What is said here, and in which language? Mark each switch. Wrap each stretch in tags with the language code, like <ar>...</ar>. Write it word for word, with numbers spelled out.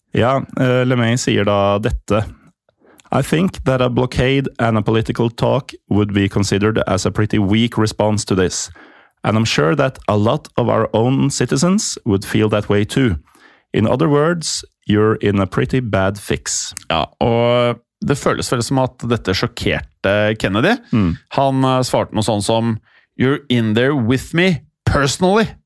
<no>Ja, eh, LeMay sier da dette:</no> <en>I think that a blockade and a political talk would be considered as a pretty weak response to this. And I'm sure that a lot of our own citizens would feel that way too. In other words, you're in a pretty bad fix.</en> <no>Ja, og det føles vel som at dette sjokkerte Kennedy. Mm. Han svarte noe sånn som,</no> <en>you're in there with me personally.</en>